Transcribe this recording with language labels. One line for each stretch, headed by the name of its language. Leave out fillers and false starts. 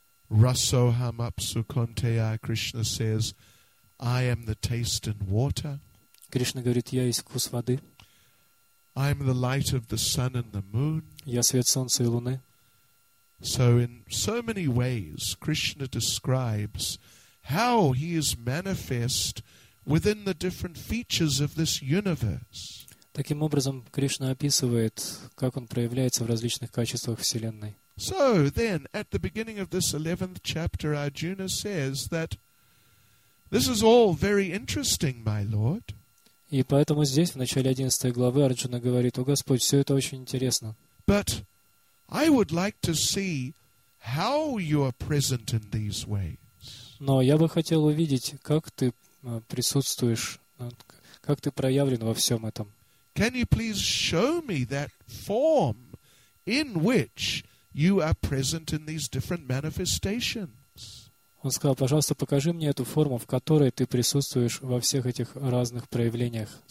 Sanskrit: Rasoham apsukanteya,
English: Krishna says, I am the taste and water.
Russian: Кришна говорит, я есть вкус воды.
English: I am the light of the sun and the moon.
Russian: Я свет солнца и луны.
English: So in so many ways, Krishna describes how he is manifest within the different features of this universe.
Russian: Таким образом, Кришна описывает, как он проявляется в различных качествах вселенной.
English: So then, at the beginning of this 11th chapter, Arjuna says that this is all very interesting, my Lord.
Russian: И поэтому здесь, в начале 11 главы, Арджуна говорит, «О Господь, все это очень интересно».
English: But I would like to see how you are present in these ways.
Russian: Но я бы хотел увидеть, как ты присутствуешь, как ты проявлен во всем этом.
English: Can you please show me that form in which you are present in these different manifestations?
Russian: Он сказал, пожалуйста, покажи мне эту форму, в которой ты присутствуешь во всех этих разных проявлениях.